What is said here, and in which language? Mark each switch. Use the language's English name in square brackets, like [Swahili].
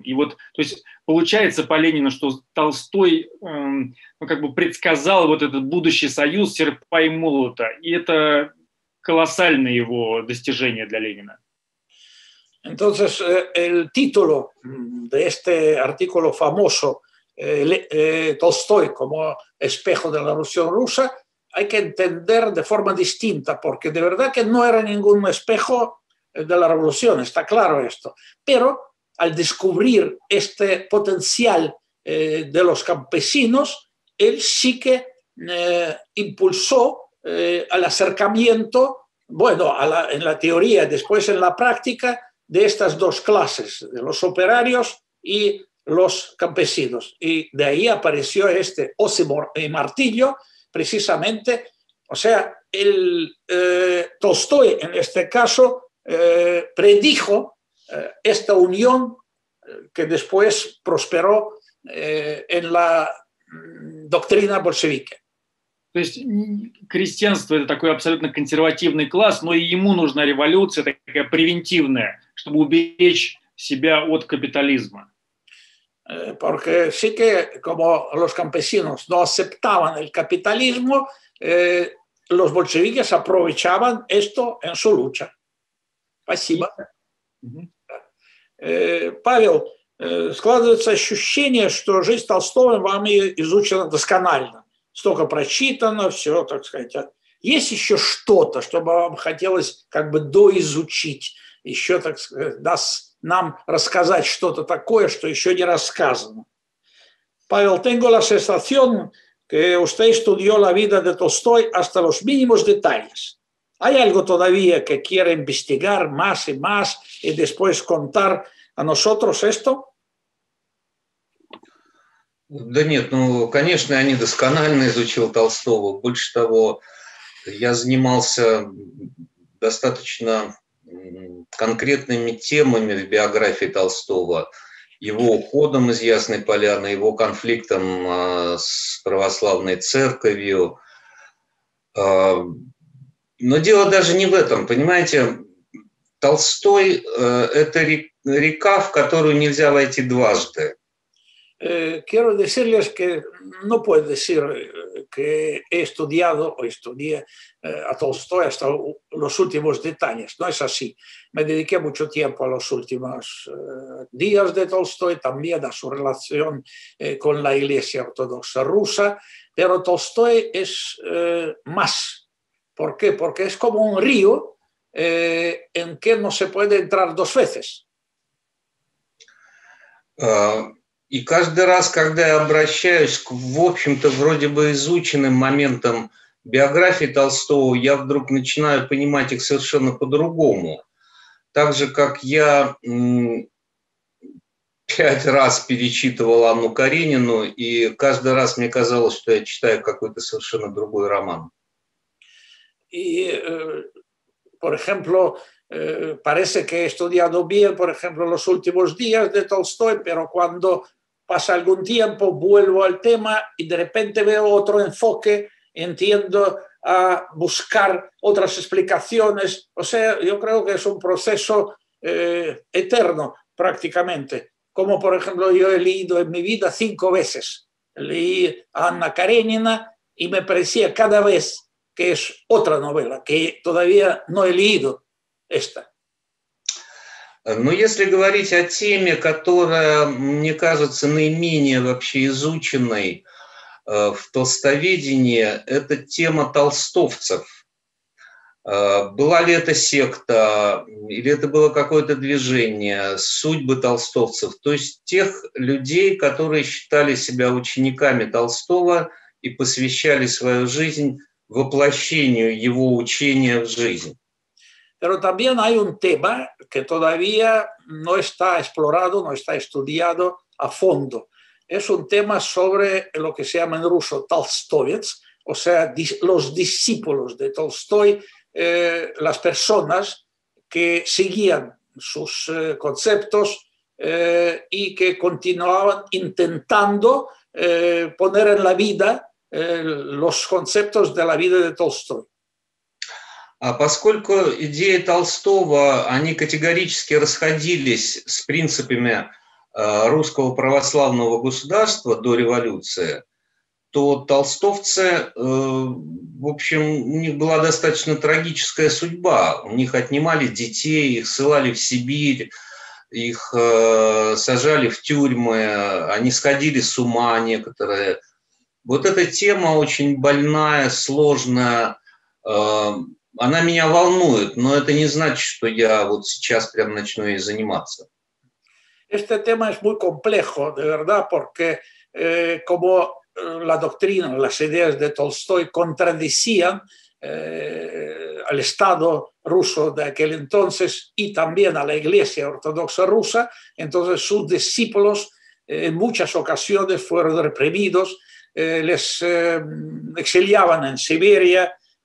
[Russian] И вот, то есть получается по Ленину, что Толстой как бы предсказал вот этот будущий союз серпа и молота. И это колоссальное его достижение для Ленина. [Spanish] Entonces, el título de este artículo famoso, Tolstoy como espejo de la Revolución Rusa, hay que entender de forma distinta, porque de verdad que no era ningún espejo de la Revolución, está claro esto. Pero al descubrir este potencial de los campesinos, él sí que impulsó al acercamiento, bueno, en la teoría, después en la práctica, de estas dos clases, de los operarios y los campesinos. Y de ahí apareció este hoz y martillo, precisamente. O sea, el Tolstoy, en este caso, predijo esta unión que después prosperó en la doctrina bolchevique. [Russian] То есть крестьянство – это такой абсолютно консервативный класс, но и ему нужна революция такая превентивная, чтобы уберечь себя от капитализма. [Spanish] Porque sí que, como los campesinos no aceptaban el capitalismo, los bolcheviques aprovechaban esto en su lucha. [Russian] Спасибо. Павел, складывается ощущение, что жизнь Толстого вами изучена досконально. Столько прочитано, все, так сказать. Есть еще что-то, что бы вам хотелось как бы доизучить? Еще, так сказать, нам рассказать что-то такое, что еще не рассказано. [Spanish] Павел, tengo la sensación que usted estudió la vida de Tolstoy hasta los mínimos detalles. ¿Hay algo todavía que quiere investigar más y más y después contar a nosotros esto? [Russian] Да нет, ну, конечно, я не досконально изучил Толстого. Больше того, я занимался достаточно конкретными темами в биографии Толстого, его уходом из Ясной Поляны, его конфликтом с православной церковью. Но дело даже не в этом, понимаете? Толстой – это река, в которую нельзя войти дважды. [Spanish] Quiero decirles que no puedo decir que he estudiado o estudié a Tolstoy hasta los últimos detalles. No es así. Me dediqué mucho tiempo a los últimos días de Tolstoy, también a su relación con la Iglesia Ortodoxa Rusa. Pero Tolstoy es más. ¿Por qué? Porque es como un río en que no se puede entrar dos veces. [Russian] И каждый раз, когда я обращаюсь к, в общем-то, вроде бы изученным моментам биографии Толстого, я вдруг начинаю понимать их совершенно по-другому. Так же, как я пять раз перечитывал Анну Каренину, и каждый раз мне казалось, что я читаю какой-то совершенно другой роман. [Spanish] И, por ejemplo, parece que he estudiado bien, por ejemplo, los últimos días de Толстой, pero cuando pasa algún tiempo, vuelvo al tema y de repente veo otro enfoque, entiendo a buscar otras explicaciones. O sea, yo creo que es un proceso eterno prácticamente. Como, por ejemplo, yo he leído en mi vida 5 veces. Leí a Anna Karenina y me parecía cada vez que es otra novela, que todavía no he leído esta. [Russian] Но если говорить о теме, которая, мне кажется, наименее вообще изученной, в толстоведении – это тема толстовцев. Была ли это секта, или это было какое-то движение, судьбы толстовцев, то есть тех людей, которые считали себя учениками Толстого и посвящали свою жизнь воплощению его учения в жизнь. [Spanish] Pero también hay un tema que todavía no está explorado, no está estudiado a fondo. Es un tema sobre lo que se llama en ruso «толстовец», o sea, los discípulos de Tolstoy, las personas que seguían sus conceptos y que continuaban intentando poner en la vida los conceptos de la vida de Tolstoy. [Russian] А поскольку идеи Толстого, они категорически расходились с принципами русского православного государства до революции, то толстовцы, в общем, у них была достаточно трагическая судьба. У них отнимали детей, их ссылали в Сибирь, их сажали в тюрьмы, они сходили с ума некоторые. Вот эта тема очень больная, сложная, она меня волнует, но это не значит, что я вот сейчас прям начну ей заниматься. [Spanish] Este tema es muy complejo, de verdad, porque como la doctrina, las ideas de Tolstoy contradecían al Estado ruso de aquel entonces y también a la Iglesia Ortodoxa rusa, entonces sus discípulos en muchas ocasiones fueron reprimidos, les exiliaban en Siberia,